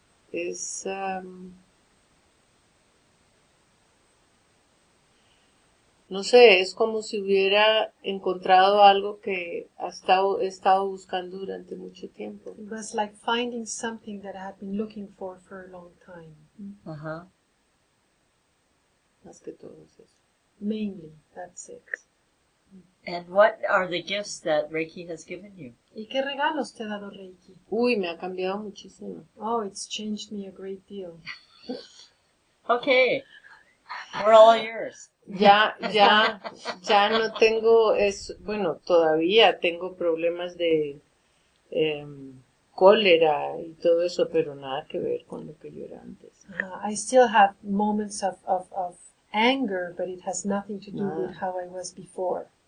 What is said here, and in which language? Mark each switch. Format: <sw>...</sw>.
<es>Es, no sé, es como si hubiera encontrado algo que he estado buscando durante mucho tiempo.</es> <en>It was like finding something that I had been looking for a long time. Uh-huh.</en> <es>Más que todo es eso.</es> <en>Mainly, that's it. And what are the gifts that Reiki has given you?</en> <es>¿Y qué regalos te ha dado Reiki? Uy, me ha cambiado muchísimo.</es> <en>Oh, it's changed me a great deal. Okay. We're all yours.</en> <es>ya no tengo, bueno, todavía tengo problemas de cólera y todo eso, pero nada que ver con lo que yo era antes.</es> <en>I still have moments of anger, but it has nothing to do with how I was before.</en>